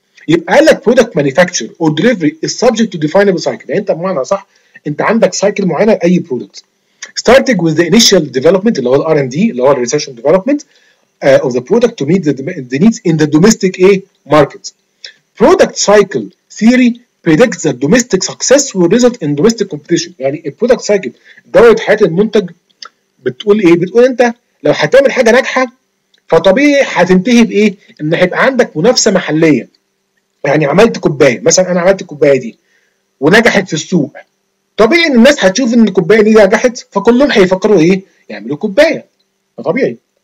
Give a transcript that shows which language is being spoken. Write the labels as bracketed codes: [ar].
[ar] يبقى قال لك [en] Product manufacture او delivery is subject to definable cycle. [ar] يعني انت بمعنى صح انت عندك سايكل معينه لاي برودكت، [en] starting with the initial development [ar] اللي هو [en] الار and D, اللي هو الريسيرش development of the product to meet the needs in the domestic A market. Product cycle theory predicts that domestic success will result in domestic competition. [ar] يعني a product cycle دورة حياة المنتج بتقول ايه؟ بتقول انت لو هتعمل حاجة ناجحة فطبيعي هتنتهي بايه؟ ان هيبقى عندك منافسة محلية. يعني عملت كوباية مثلا، انا عملت الكوباية دي ونجحت في السوق، طبيعي ان الناس هتشوف ان الكوباية دي نجحت فكلهم هيفكروا ايه؟ يعملوا كوباية، طبيعي.